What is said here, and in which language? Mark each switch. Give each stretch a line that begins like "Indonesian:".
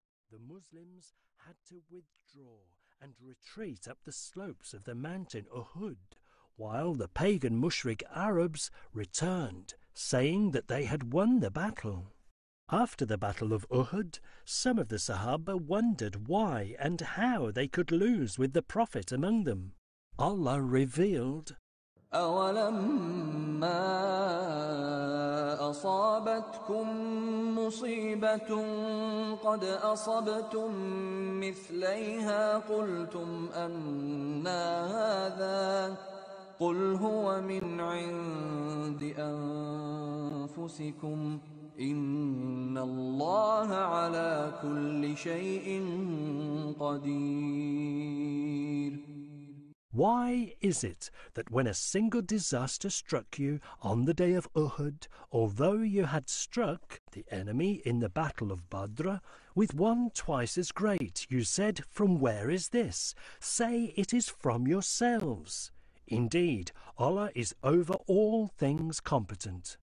English: The Muslims had to withdraw and retreat up the slopes of the mountain Uhud, while the pagan Mushrik Arabs returned, saying that they had won the battle. After the Battle of Uhud, some of the Sahaba wondered why and how they could lose with the Prophet among them. Allah revealed,
Arabic: أولما أصابتكم مصيبة قد أصبتم مثليها قلتم أنى هذا قل هو من عند أنفسكم إن الله على كل شيء قدير.
English: Why is it that when a single disaster struck you on the day of Uhud, although you had struck the enemy in the Battle of Badr with one twice as great, you said, "From where is this?" Say, "It is from yourselves." Indeed, Allah is over all things competent.